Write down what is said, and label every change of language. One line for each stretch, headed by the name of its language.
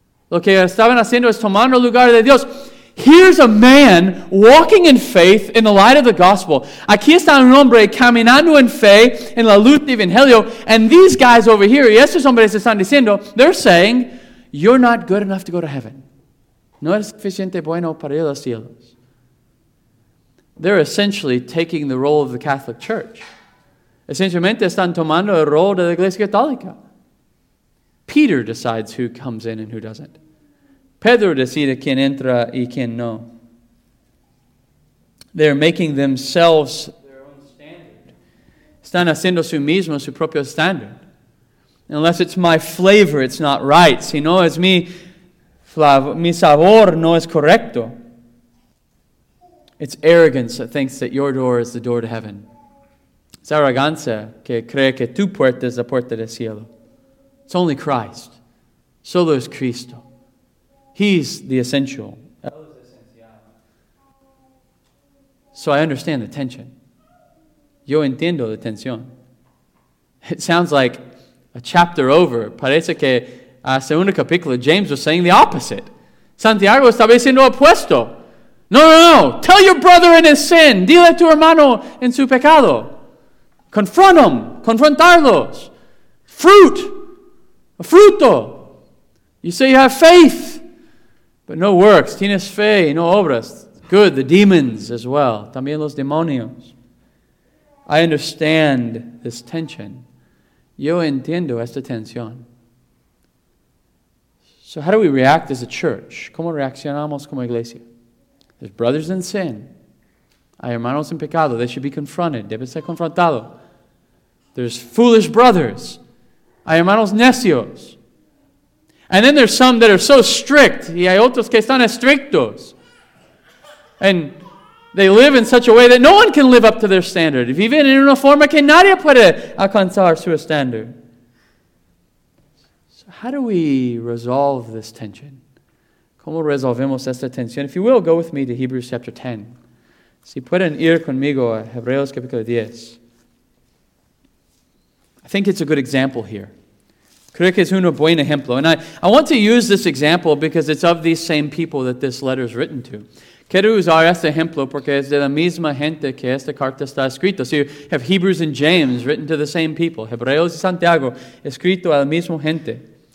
Spanish: Lo que estaban haciendo es tomando el lugar de Dios.
English: Here's a man walking in faith in the light of the gospel.
Spanish: Aquí está un hombre caminando en fe en la luz del evangelio.
English: And these guys over here,
Spanish: y estos hombres están diciendo,
English: they're saying, you're not good enough to go to heaven.
Spanish: No eres suficiente bueno para ir a los cielos.
English: They're essentially taking the role of the Catholic Church.
Spanish: Esencialmente están tomando el rol de la Iglesia Católica.
English: Peter decides who comes in and who doesn't.
Spanish: Pedro decide quién entra y quién no.
English: They're making themselves their own standard.
Spanish: Están haciendo su mismo su propio standard.
English: Unless it's my flavor, it's not right.
Spanish: Si no es mi sabor, no es correcto.
English: It's arrogance that thinks that your door is the door to heaven.
Spanish: Es arrogancia que cree que tu puerta es la puerta del cielo.
English: It's only Christ.
Spanish: Solo es Cristo.
English: He's the essential. So I understand the tension.
Spanish: Yo entiendo la tensión.
English: It sounds like a chapter over.
Spanish: Parece que a segundo capítulo
English: James was saying the opposite.
Spanish: Santiago estaba diciendo opuesto.
English: No. Tell your brother in his sin.
Spanish: Dile a tu hermano en su pecado.
English: Confront him.
Spanish: Confrontarlos.
English: Fruit.
Spanish: A fruto.
English: You say you have faith, but no works.
Spanish: Tienes fe y no obras.
English: Good. The demons as well.
Spanish: También los demonios.
English: I understand this tension.
Spanish: Yo entiendo esta tensión.
English: So how do we react as a church?
Spanish: ¿Cómo reaccionamos como iglesia?
English: There's brothers in sin.
Spanish: Hay hermanos en pecado.
English: They should be confronted.
Spanish: Debe ser confrontado.
English: There's foolish brothers.
Spanish: Hay hermanos necios.
English: And then there's some that are so strict.
Spanish: Y hay otros que están estrictos.
English: And they live in such a way that no one can live up to their standard.
Spanish: Viven en una forma que nadie puede alcanzar su standard.
English: So how do we resolve this tension?
Spanish: ¿Cómo resolvemos esta tensión?
English: If you will, go with me to Hebrews chapter 10.
Spanish: Si pueden ir conmigo a Hebreos capítulo 10.
English: I think it's a good example here.
Spanish: Creo que es un buen ejemplo.
English: And I want to use this example because it's of these same people that this letter is written to.
Spanish: Quiero usar este ejemplo porque es de la misma gente que esta carta está escrita.
English: So you have Hebrews and James written to the same people.
Spanish: Hebreos y Santiago escrito a la misma gente.